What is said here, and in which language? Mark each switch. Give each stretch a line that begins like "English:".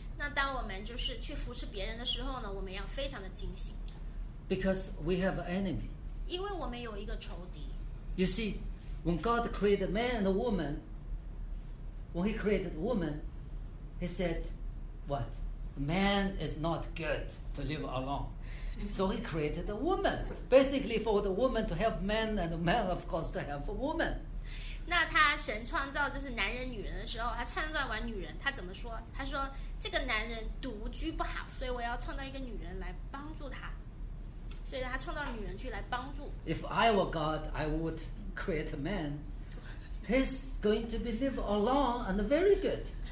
Chinese: 那当我们就是去扶持别人的时候呢，我们要非常的警醒。
English: Because we have an enemy.
Chinese: 因为我们有一个仇敌。
English: You see, when God created man and woman, when He created woman, He said. What? Man is not good to live alone. So he created a woman. Basically for the woman to help man and the man of course to help a woman.
Chinese: 那他神创造就是男人女人的时候他创造完女人他怎么说他说这个男人独居不好所以我要创造一个女人来帮助他。所以他创造女人去来帮助。
English: If I were God, I would create a man. He's going to be live alone and very good.